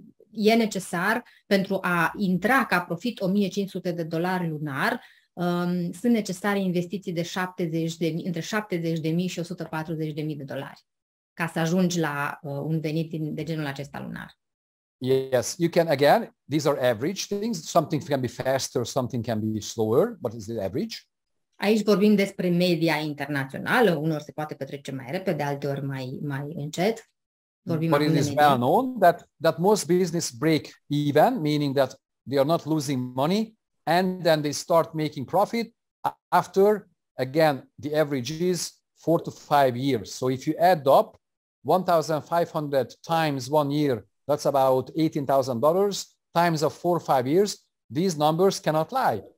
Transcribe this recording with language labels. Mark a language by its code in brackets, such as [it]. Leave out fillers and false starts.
[ro] E necesar pentru a intra ca profit $1,500 lunar, sunt necesare investiții de între 70.000 și $140,000 ca să ajungi la un venit de genul acesta lunar. [en] Yes, you can, again, these are average things. Something can be faster, something can be slower, but it's the average. [ro] Aici vorbim despre media internațională. Unor se poate petrece mai repede, alteori mai încet. Vorbim [en] but it is [ro] media. [en] Well known that most business break even, meaning that they are not losing money, and then they start making profit after, again, the average is 4 to 5 years. So if you add up 1,500 times 1 year, that's about $18,000 times of 4 or 5 years, these numbers cannot lie.